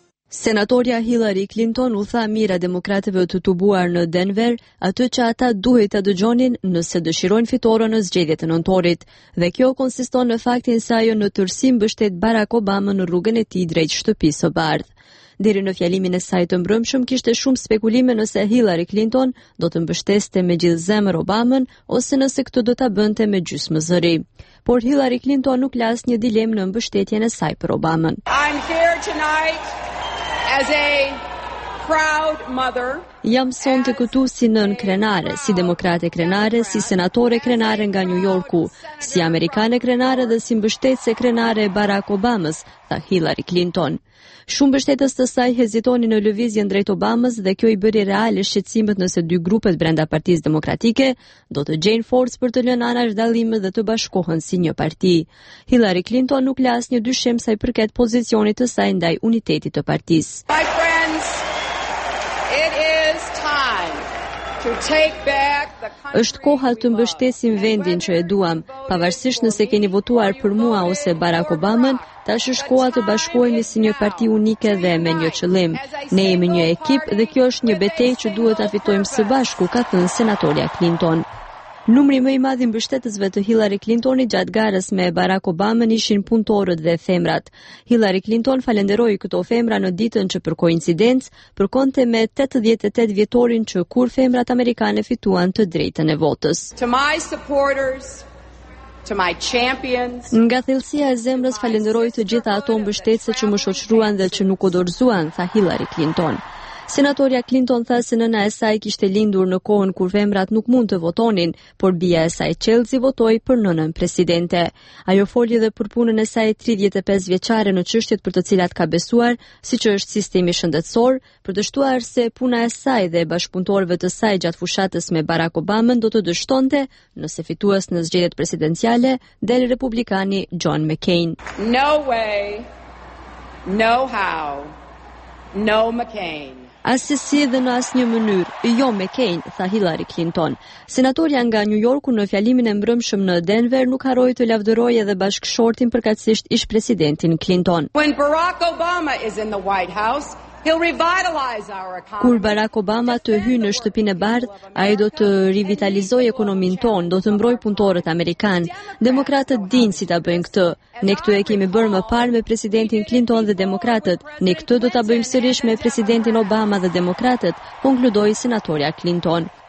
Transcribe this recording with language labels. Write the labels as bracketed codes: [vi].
[sq] Senatorja Hillary Clinton u tha mira demokratëve të tubuar në Denver atë që ata duhet të dëgjonin nëse dëshirojnë fitoren në zgjedhjet e nëntorit, dhe kjo konsiston në faktin se ajo në tërësi mbështet Barack Obama në rrugën e tij drejt shtëpisë së bardhë. Deri në fjalimin e saj të mbrëmshëm kishte shumë spekulime nëse Hillary Clinton do të mbështeste me gjithë zemër Obama-n ose nëse këtë do ta bënte me gjysmë më zëri. Por Hillary Clinton nuk la asnjë dilemë në mbështetjen e saj për Obama-n. [en] I'm here tonight as a proud mother. [sq] Jam sonte këtu si nën krenare, si demokrate krenare, si senatore krenare nga New Yorku, si amerikane krenare dhe si mbështetëse krenare e Barack Obamas, tha Hillary Clinton. Shumë mbështetës të saj hezitoni në lëvizjen drejt Obamas dhe kjo i bëri reale shqetësimet nëse dy grupet brenda Partisë Demokratike do të gjejnë forcë për të lënë anash dallimet dhe të bashkohen si një parti. Hillary Clinton nuk la asnjë dyshim sa i përket pozicionit të saj ndaj unitetit të partisë. [en] My friends, it is time to take back the country. [sq] Është koha të mbështesim vendin që e duam, pavarësisht nëse keni votuar për mua ose Barack Obama-n. Tash është koha të bashkohemi si një parti unike dhe me një qëllim. Ne jemi një ekip dhe kjo është një betejë që duhet ta fitojmë së bashku, ka thënë senatorja Clinton. Numri më i madh i mbështetësve të Hillary Clintonit gjatë garës me Barack Obama ishin punëtorët dhe femrat. Hillary Clinton falenderoi këto femra në ditën që për koincidencë përkonte me 88 vjetorin që kur femrat amerikane fituan të drejtën e votës. [en] To my supporters, to my champions. [sq] Nga thellësia e zemrës falenderoj të gjitha ato mbështetëse që më shoqëruan dhe që nuk u dorëzuan, tha Hillary Clinton. Senatorja Clinton tha se nëna e saj kishte lindur në kohën kur femrat nuk mund të votonin, por bija e saj Chelsea votoi për nënën presidente. Ajo foli edhe për punën e saj 35 vjeçare në çështjet për të cilat ka besuar, siç është sistemi shëndetësor, për të shtuar se puna e saj dhe bashkëpunëtorëve të saj gjatë fushatës me Barack Obama do të dështonte nëse fitues në zgjedhjet presidenciale del republikani John McCain. [en] No way, no how, no McCain. [sq] Asesi dhe në asë një mënyrë, jo McCain, tha Hillary Clinton. Senatorja nga New Yorku në fjalimin e mbrëmshëm në Denver nuk haroi të lavdëroi edhe bashkëshortin përkatësisht ish presidentin Clinton. [en] When Barack Obama is in the White House, he'll revitalize our economy. [sq] Kur Barack Obama të hyjë në shtëpinë e bardhë, ai do të rivitalizojë ekonominë tonë, do të mbrojë punëtorët amerikan. Demokratët dinë si ta bëjnë këtë. Ne këtu e kemi bërë më parë me presidentin Clinton dhe demokratët. Ne këtu do ta bëjmë sërish me presidentin Obama dhe demokratët, konkludoi senatorja Clinton.